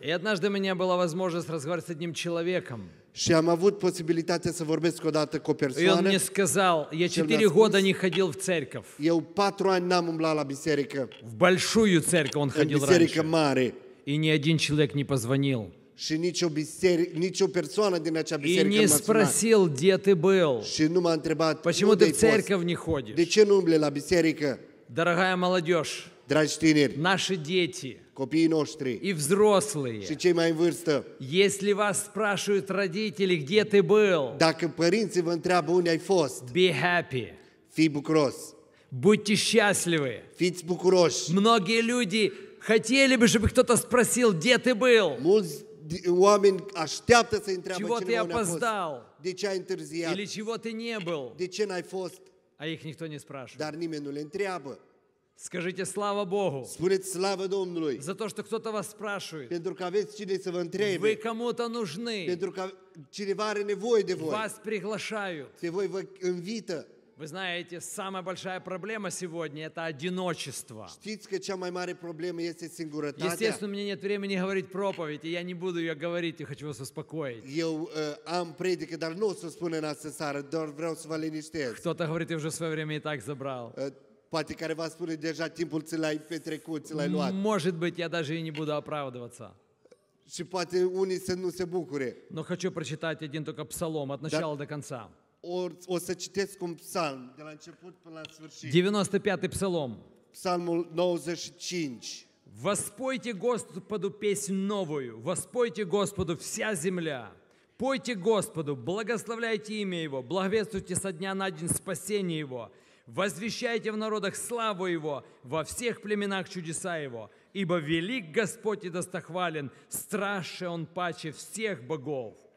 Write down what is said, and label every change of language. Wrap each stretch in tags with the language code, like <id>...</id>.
<ru>И однажды у меня была возможность разговаривать с одним человеком.</ru> <ro>Și am avut posibilitatea să vorbesc odată cu o persoană.</ro> <ru>Он мне сказал, я 4 года не ходил в церковь.</ru> <ro>Eu 4 ani n-am umblat la biserică.</ro> <ru>В большую церковь он ходил раньше.</ru> <ro>În biserică mare.</ro> <ru>И ни один человек не позвонил.</ru> <ro>Și nicio persoană din acea biserică</ro> <ru>не спросил, где ты был.</ru> <ro>Și nu m-a întrebat.</ro> <ru>Почему ты в церковь не ходишь?</ru> <ro>De ce nu umbli la biserică?</ro> <ru>Дорогая молодежь.</ru> <ro>Dragi tineri.</ro> <ru>Наши дети.</ru> <ro>Копии ноштри.</ro> <ru>И взрослые.</ru> <ro>Și cei mai în vârstă.</ro> <ru>Если вас спрашивают родители, где ты был?</ru> <ro>Dacă părinții vă întreabă unde ai fost.</ro> <en>Be happy.</en> <ro>Fii bucuros.</ro> <ru>Будьте счастливы.</ru> <ro>Fiți bucuroși.</ro> <ru>Многие люди хотели бы, чтобы кто-то спросил, где ты был?</ru> <ro>Mulți oameni așteaptă să-i întreabă</ro> <ru>чего</ru> <ro>cineva unde ai fost.</ro> <ru>Чего ты опоздал?</ru> <ro>De ce ai întârziat?</ro> <ru>Или чего ты не был?</ru> <ro>De ce n-ai fost?</ro> <ru>А их никто не спрашивает.</ru> <ro>Dar nimeni nu le întreabă.</ro> <ru>Скажите слава Богу.</ru> <ro>Spuneți slavă Domnului.</ro> <ru>За то, что кто-то вас спрашивает.</ru> <ro>Pentru că aveți cine să vă întrebe.</ro> <ru>Вы кому-то нужны.</ru> <ro>Pentru că cineva are nevoie de voi.</ro> <ru>Вас приглашают.</ru> <ro>Pe voi vă invită.</ro> <ru>Вы знаете, самая большая проблема сегодня – это одиночество.</ru> <ro>Știți că cea mai mare problemă este singurătatea.</ro> <ru>Естественно, у меня нет времени говорить проповедь, и я не буду ее говорить, я хочу вас успокоить.</ru> <ro>Eu am predică, dar nu o să spun în această seară, doar vreau să vă liniștesc.</ro> <ru>Кто-то говорит, я уже свое время и так забрал.</ru> <ro>Poate care v-a spune deja timpul ți l-ai petrecut, ți l-ai luat.</ro> <ru>Может быть, я даже и не буду оправдываться.</ru> <ro>Și poate unii să nu se bucure.</ro> <ru>Но хочу прочитать один только псалом от начала до конца.</ru> <ro>O să citesc un psalm de la început până la sfârșit.</ro> <ru>95-й псалом.</ru> <ro>Psalmul 95.</ro> <ru>Воспойте Господу песнь новую, воспойте Господу вся земля. Пойте Господу, благословляйте имя Его, благовествуйте со дня на день спасение Его. Возвещайте в народах славу Его, во всех племенах чудеса Его, ибо велик Господь и достохвален, страше Он паче всех богов.</ru>